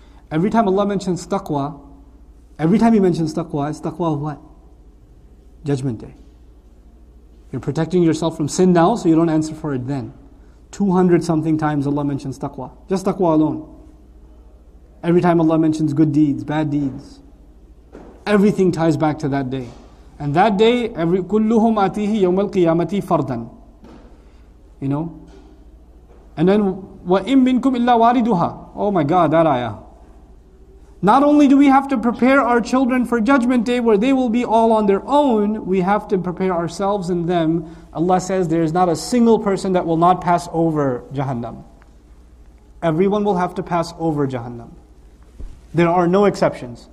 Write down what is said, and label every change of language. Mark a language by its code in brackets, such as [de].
[en] Every time Allah mentions taqwa, every time He mentions taqwa, it's taqwa of what? Judgment Day. You're protecting yourself from sin now, so you don't answer for it then. 200 something times Allah mentions taqwa. Just taqwa alone. Every time Allah mentions good deeds, bad deeds, everything ties back to that day. And that day, [ar] كُلُّهُمْ أَتِيهِ يَوْمَ الْقِيَامَةِ فَرْدًا. [en] You know? And then, [ar] وَإِمْ مِنْكُمْ إِلَّا وَارِدُهَا. [en] Oh my God, that ayah. Not only do we have to prepare our children for Judgment Day where they will be all on their own, we have to prepare ourselves and them. Allah says there is not a single person that will not pass over Jahannam. Everyone will have to pass over Jahannam. There are no exceptions.